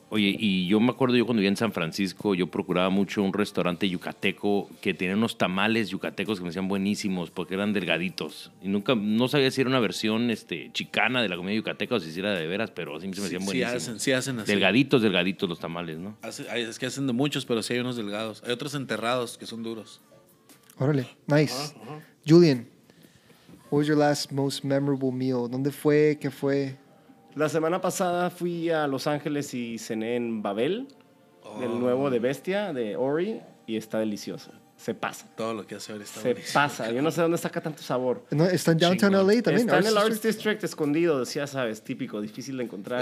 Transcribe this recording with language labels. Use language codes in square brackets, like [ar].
[es] Oye, y yo me acuerdo cuando vivía en San Francisco, yo procuraba mucho un restaurante yucateco que tenía unos tamales yucatecos que me decían buenísimos porque eran delgaditos. Y nunca, no sabía si era una versión chicana de la comida yucateca o si era de veras, pero sí me decían buenísimos. Sí hacen así. Delgaditos los tamales, ¿no? Es que hacen de muchos, pero sí hay unos delgados. Hay otros enterrados que son duros. Órale, nice. Uh-huh. [en] Julian, what was your last most memorable meal? [es] ¿Dónde fue? ¿Qué fue? La semana pasada fui a Los Ángeles y cené en Babel, del nuevo de Bestia, de Ori, y está delicioso. Se pasa. Todo lo que hace Ori está se buenísimo. Se pasa. Yo no sé dónde saca tanto sabor. No, está en Downtown Chingo. LA también. Está en el Arts District, escondido, ya sabes, típico, difícil de encontrar.